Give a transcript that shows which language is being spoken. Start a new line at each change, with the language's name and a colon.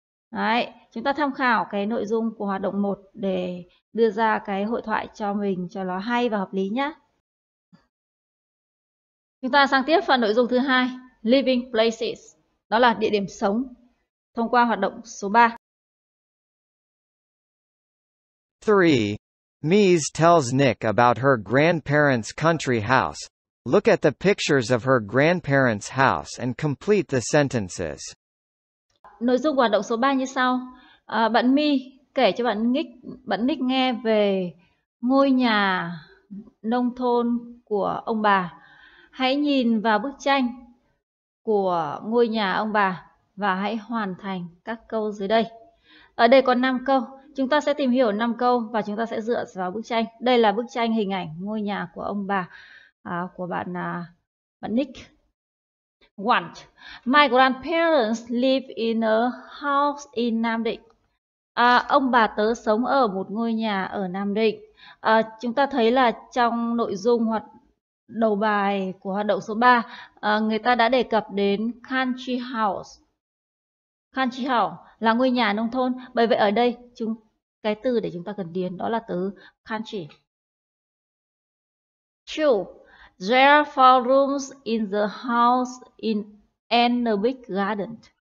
Vietnamese: Đấy, chúng ta tham khảo cái nội dung của hoạt động 1 để đưa ra cái hội thoại cho mình cho nó hay và hợp lý nhé. Chúng ta sang tiếp phần nội dung thứ 2, Living Places, đó là địa điểm sống, thông qua hoạt động số 3.
English: 3. Mies tells Nick about her grandparents' country house. Look at the pictures of her grandparents' house and complete the sentences.
Vietnamese: Nội dung hoạt động số 3 như sau. Bạn Mi kể cho bạn Nick nghe về ngôi nhà nông thôn của ông bà. Hãy nhìn vào bức tranh của ngôi nhà ông bà và hãy hoàn thành các câu dưới đây. Ở đây có 5 câu. Chúng ta sẽ tìm hiểu 5 câu và chúng ta sẽ dựa vào bức tranh. Đây là bức tranh hình ảnh ngôi nhà của ông bà của bạn Nick.
English: One. My grandparents live in a house in Nam Định.
Vietnamese: Ông bà tớ sống ở một ngôi nhà ở Nam Định. Chúng ta thấy là trong nội dung hoạt đầu bài của hoạt động số 3, người ta đã đề cập đến country house. Country house là ngôi nhà nông thôn. Bởi vậy ở đây cái từ để chúng ta cần điền đó là từ country.
English: Two. There are 4 rooms in the house and a big garden.